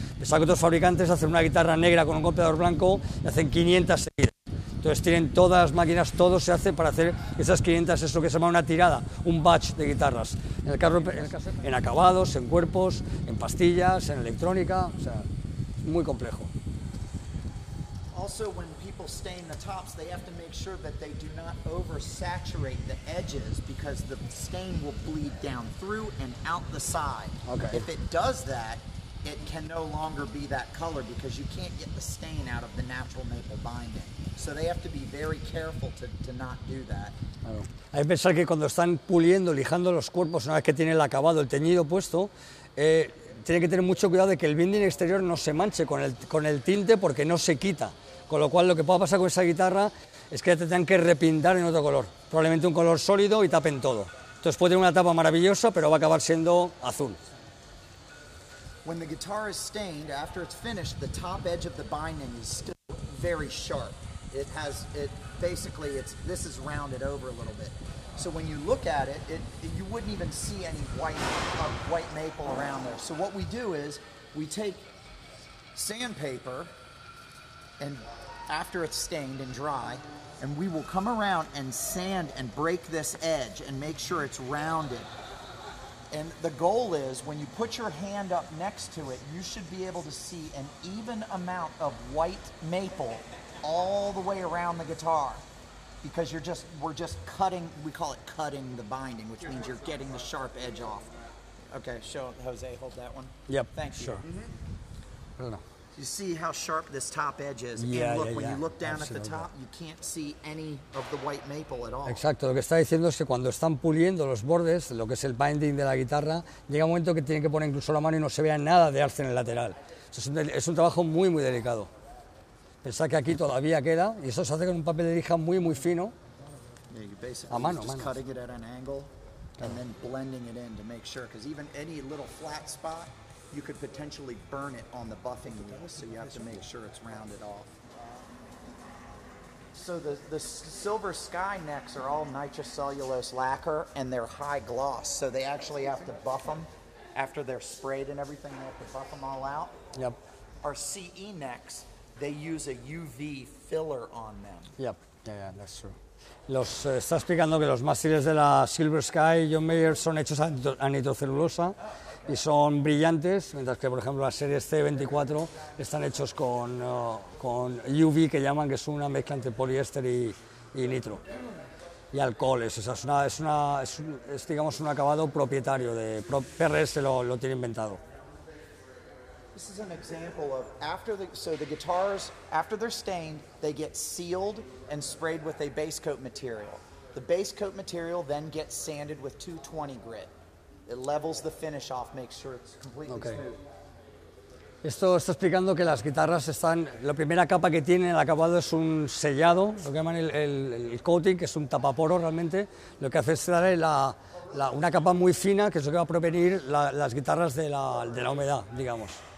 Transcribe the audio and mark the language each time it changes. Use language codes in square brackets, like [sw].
[es] Pensad que otros fabricantes hacen una guitarra negra con un golpeador blanco y hacen 500 seguidas. Entonces tienen todas las máquinas, todo se hace para hacer esas 500, eso que se llama una tirada, un batch de guitarras. En acabados, en cuerpos, en pastillas, en electrónica, o sea, muy complejo. [en] Also, when people stain the tops, they have to make sure that they do not oversaturate the edges, because the stain will bleed down through and out the side. Okay. If it does that, it can no longer be that color because you can't get the stain out of the natural maple binding. So they have to be very careful to not do that. [es] Hay que pensar que cuando están puliendo, lijando los cuerpos, una vez que tiene el acabado, el teñido puesto, tiene que tener mucho cuidado de que el binding exterior no se manche con el tinte porque no se quita. Con lo cual, lo que pueda pasar con esa guitarra es que te tengan que repintar en otro color, probablemente un color sólido y tapen todo. Entonces puede tener una tapa maravillosa, pero va a acabar siendo azul. [en] When the guitar is stained, after it's finished, the top edge of the binding is still very sharp. It has, this is rounded over a little bit. So when you look at it, you wouldn't even see any white maple around there. So what we do is we take sandpaper, and after it's stained and dry, and we will come around and sand and break this edge and make sure it's rounded. And the goal is when you put your hand up next to it, you should be able to see an even amount of white maple all the way around the guitar. Because we call it cutting the binding, which means you're getting the sharp edge off. Okay, show Jose, hold that one. Yep. Thank you. Sure. Mm-hmm. I don't know. You see how sharp this top edge is? Yeah, and look, yeah, when yeah. you look down Absolutely. At the top, you can't see any of the white maple at all. [es] Exacto, lo que está diciendo es que cuando están puliendo los bordes, lo que es el binding de la guitarra, llega un momento que tienen que poner incluso la mano y no se vea nada de arce en el lateral. Es un trabajo muy, muy delicado. Pensar que aquí todavía queda, y eso se hace con un papel de lija muy, muy fino, a mano. [en] Cutting it at an angle, and then blending it in to make sure, because even any little flat spot, you could potentially burn it on the buffing wheel, so you have to make sure it's rounded off. So the silver sky necks are all nitrocellulose lacquer, and they're high gloss, so they actually have to buff them after they're sprayed and everything, they have to buff them all out. Yep. Our CE necks, they use a UV filler on them. Yep, yeah, that's true. [es] Está explicando que los mástiles de la Silver Sky John Mayer son hechos a nitrocelulosa y son brillantes, mientras que, por ejemplo, las series C24 están hechos con UV, que llaman, que es una mezcla entre poliéster y nitro y alcoholes. O sea, es un acabado propietario de PRS, lo tiene inventado. [en] This is an example of the guitars, after they're stained, they get sealed and sprayed with a base coat material. The base coat material then gets sanded with 220 grit. It levels the finish off, makes sure it's completely okay. smooth. [es] Esto está explicando que las guitarras están, la primera capa que tienen el acabado es un sellado, lo que llaman el coating, que es un tapaporo realmente, lo que hace es darle una capa muy fina, que es lo que va a prevenir las guitarras de la humedad, digamos.